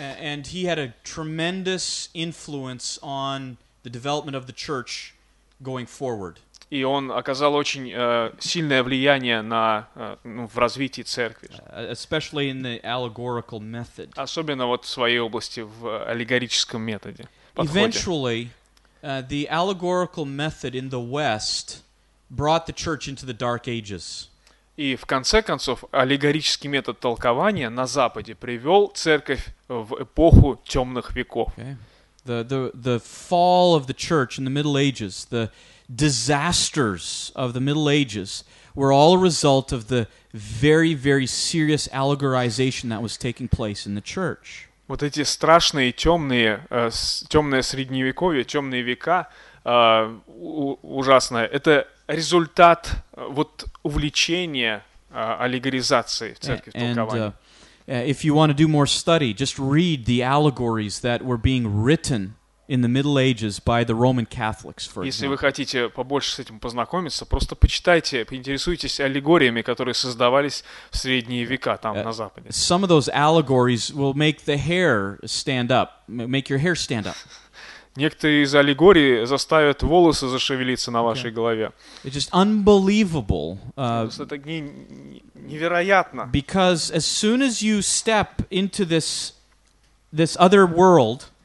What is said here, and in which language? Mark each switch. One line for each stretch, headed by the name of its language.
English: And he had a tremendous influence on the development of the church going forward.
Russian: И он оказал очень сильное влияние на в развитии церкви.
English: Especially in the allegorical method.
Russian: Особенно вот в своей области, в аллегорическом методе. Подходе.
English: Eventually, the allegorical method in the West brought the church into the dark ages.
Russian: И в конце концов аллегорический метод толкования на Западе привел церковь в эпоху темных веков.
English: Okay. The fall of the church in the Middle Ages, the disasters of the Middle Ages were all a result of the very, very serious allegorization that was taking place in the church.
Russian: Вот эти страшные темные, темное средневековье, темные века, ужасное, это результат вот увлечения аллегоризацией в церкви, в толковании.
English: If you want to do more study, just read the allegories that were being written in the Middle Ages by the Roman Catholics, for example.
Russian: Если вы хотите побольше с этим познакомиться, просто почитайте, поинтересуйтесь аллегориями, которые создавались в средние века там на Западе.
English: Some of those allegories will make the hair stand up, make your hair stand up.
Russian: Некоторые из аллегорий заставят волосы зашевелиться на вашей голове.
English: It's just unbelievable.
Russian: Это невероятно.
English: Because as soon as you step into this other world,